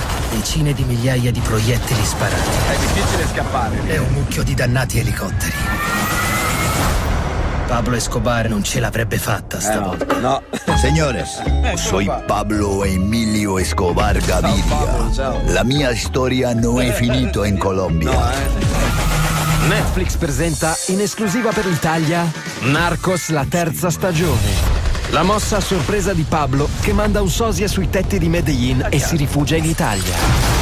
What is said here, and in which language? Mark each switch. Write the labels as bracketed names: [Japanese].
[Italian] Decine di migliaia di proiettili sparati. È difficile scappare. E un mucchio di dannati elicotteri. Pablo Escobar non ce l'avrebbe fatta stavolta. No. [Spanish] Señores, soy Pablo Emilio Escobar Gaviria. [Italian] Ciao Pablo, ciao. La mia storia non è finita in Colombia. No, Netflix presenta in esclusiva per l'Italia Narcos la terza stagione. La mossa a sorpresa di Pablo che manda un sosia sui tetti di Medellin e si rifugia in Italia.